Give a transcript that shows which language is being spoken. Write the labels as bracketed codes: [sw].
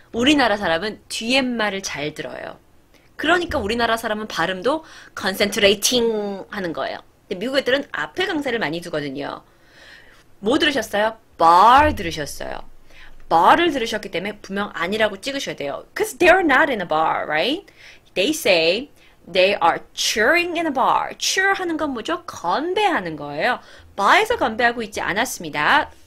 [ko] 우리나라 사람은 뒤에 말을 잘 들어요. 그러니까 우리나라 사람은 발음도 concentrating 하는 거예요. 근데 미국 애들은 앞에 강세를 많이 두거든요. 뭐 들으셨어요? bar 들으셨어요. bar을 들으셨기 때문에 분명 아니라고 찍으셔야 돼요. [en] Because they're not in a bar, right? They say they are cheering in a bar. [ko] cheer 하는 건 뭐죠? 건배하는 거예요. bar에서 건배하고 있지 않았습니다.